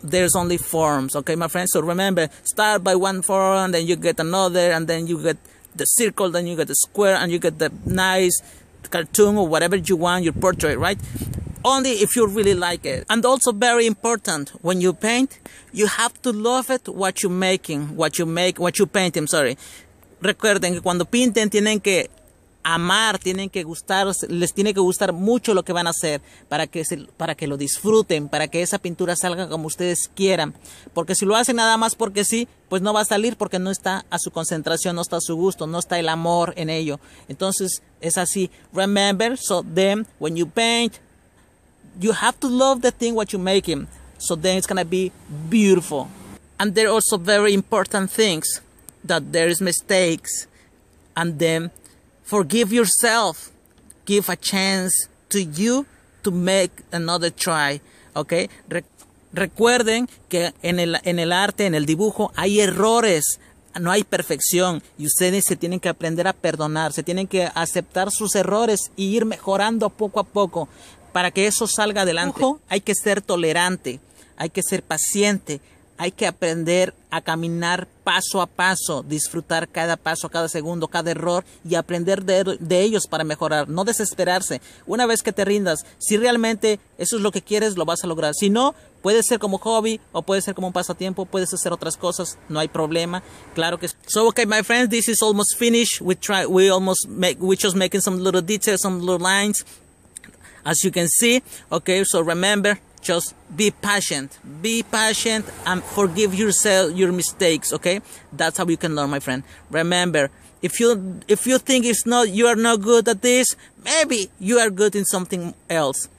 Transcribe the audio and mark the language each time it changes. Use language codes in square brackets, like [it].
[en] There's only forms, okay, my friend? So remember, start by one form, then you get another, and then you get the circle, then you get the square, and you get the nice cartoon or whatever you want, your portrait, right? Only if you really like it. And also very important, when you paint, you have to love it what you're painting. [es] Recuerden que cuando pinten tienen que amar, tienen que gustar, les tiene que gustar mucho lo que van a hacer para que lo disfruten, para que esa pintura salga como ustedes quieran. Porque si lo hacen nada más porque sí, pues no va a salir porque no está a su concentración, no está a su gusto, no está el amor en ello. Entonces es así. [en] Remember, so then when you paint, you have to love the thing what you're making, so then it's gonna be beautiful. And there are also very important things, that there is mistakes, and then forgive yourself, give a chance to you to make another try, okay? [es] Recuerden que en el arte, en el dibujo, hay errores. No hay perfección y ustedes se tienen que aprender a perdonar, se tienen que aceptar sus errores y ir mejorando poco a poco. Para que eso salga adelante, ojo, hay que ser tolerante, hay que ser paciente, hay que aprender a caminar paso a paso, disfrutar cada paso, cada segundo, cada error y aprender de ellos para mejorar, no desesperarse. Una vez que te rindas, si realmente eso es lo que quieres, lo vas a lograr. Si no, puede ser como hobby o puede ser como un pasatiempo, puedes hacer otras cosas, no hay problema. Claro que sí. [en] So, okay, my friends, this is almost finished. We're just making some little details, some little lines. As you can see, okay, so remember, Just be patient. Be patient and forgive yourself your mistakes, okay? That's how you can learn, my friend. Remember, if you think it's not, you are not good at this, maybe you are good in something else.